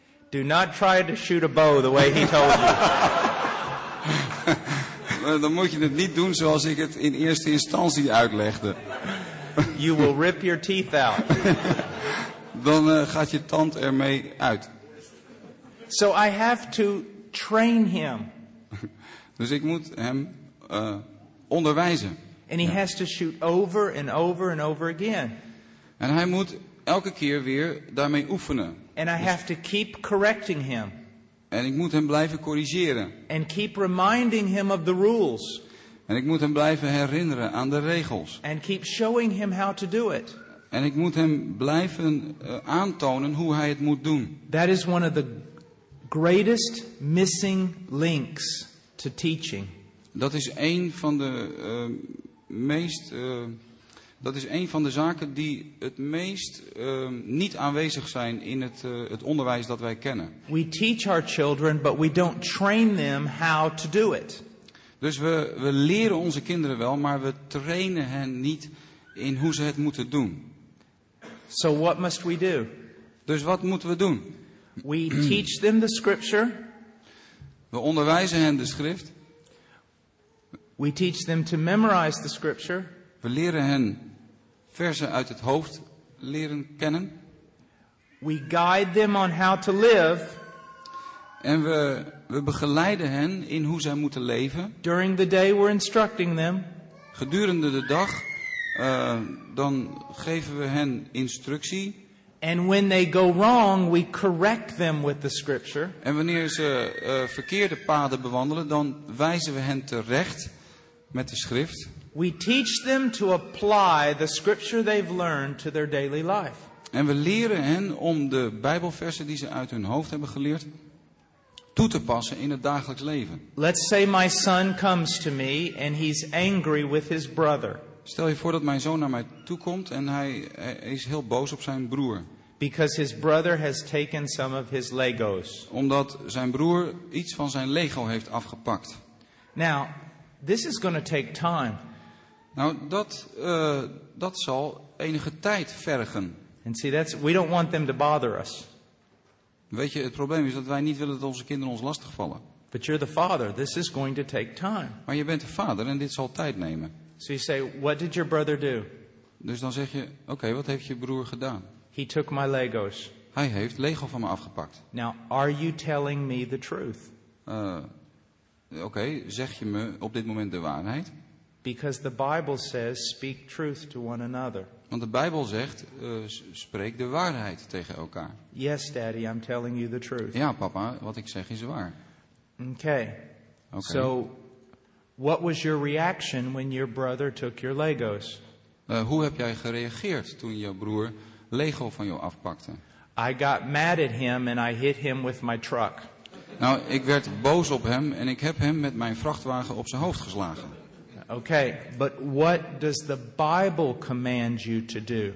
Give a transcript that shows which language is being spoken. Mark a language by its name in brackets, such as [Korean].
[English] do not try to shoot a bow the way he told you. [Dutch] Dan moet je het niet doen zoals ik het in eerste instantie uitlegde. [English] You will rip your teeth out. [Dutch] Dan gaat je tand ermee uit. [English] So I have to train him. [Dutch] Dus ik moet hem onderwijzen. [English] And he has to shoot over and over and over again. [Dutch] En hij moet elke keer weer daarmee oefenen. [English] And I have to keep correcting him. [Dutch] En ik moet hem blijven corrigeren. [English] And keep reminding him of the rules. [Dutch] En ik moet hem blijven herinneren aan de regels. [English] And keep showing him how to do it. [Dutch] En ik moet hem blijven aantonen hoe hij het moet doen. [English] That is one of the greatest missing links to teaching. [Dutch] Dat is een van de meest dat is een van de zaken die het meest niet aanwezig zijn in het onderwijs dat wij kennen. [English] We teach our children, but we don't train them how to do it. [Dutch] Dus we leren onze kinderen wel, maar we trainen hen niet in hoe ze het moeten doen. [English] So what must we do? [Dutch] Dus wat moeten we doen? [English] We teach them the scripture. [Dutch] We onderwijzen hen de schrift. [English] We teach them to memorize the scripture. [Dutch] We leren hen versen uit het hoofd leren kennen. [English] We guide them on how to live. [Dutch] En we begeleiden hen in hoe zij moeten leven. [English] During the day we're instructing them. [Dutch] Gedurende de dag dan geven we hen instructie. [English] And when they go wrong, we correct them with the scripture. [Dutch] En wanneer ze verkeerde paden bewandelen, dan wijzen we hen terecht met de schrift. [English] We teach them to apply the scripture they've learned to their daily life. [Dutch] En we leren hen om de Bijbelversen die ze uit hun hoofd hebben geleerd toe te passen in het dagelijks leven. [English] Let's say my son comes to me and he's angry with his brother. [Dutch] Stel je voor dat mijn zoon naar mij toe komt en hij is heel boos op zijn broer. [English] Because his brother has taken some of his Legos. [Dutch] Omdat zijn broer iets van zijn Lego heeft afgepakt. [English] Now, this is going to take time. [Dutch] Nou, dat zal enige tijd vergen. [English] And see, that's, we don't want them to bother us. [Dutch] Weet je, het probleem is dat wij niet willen dat onze kinderen ons lastigvallen. [English] But you're the father. This is going to take time. [Dutch] Maar je bent de vader en dit zal tijd nemen. [English] So you say, what did your brother do? [Dutch] Dus dan zeg je, oké, wat heeft je broer gedaan? [English] He took my Legos. [Dutch] Hij heeft Lego van me afgepakt. [English] Now, are you telling me the truth? [Dutch] Oké, zeg je me op dit moment de waarheid? [English] Because the Bible says, speak truth to one another. [Dutch] Want de Bijbel zegt, spreek de waarheid tegen elkaar. [English] Yes, Daddy, I'm telling you the truth. [Dutch] Ja, papa, wat ik zeg is waar. [English] Okay. [Dutch] Okay. [English] So, what was your reaction when your brother took your Legos? [Dutch] Hoe heb jij gereageerd toen je broer Lego van jou afpakte? [English] I got mad at him and I hit him with my truck. [Dutch] Nou, ik werd boos op hem en ik heb hem met mijn vrachtwagen op zijn hoofd geslagen. [English] Okay, but what does the Bible command you to do?